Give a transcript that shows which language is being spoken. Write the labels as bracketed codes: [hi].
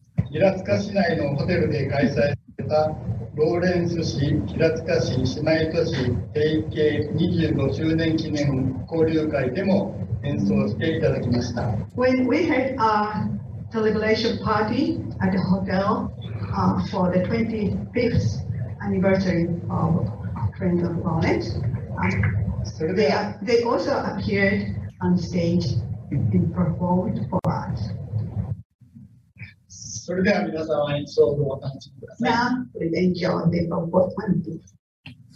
[ja] 平塚市内のホテルで開催されたローレンス市平塚市姉妹都市提携25周年記念交流会でも演奏していただきました。 [en] When we had our celebration party at the hotel for the 25th anniversary of Friends of Lawrence, they also appeared on stage and performed for us. [ja] それでは皆さんは演奏をお楽しみください。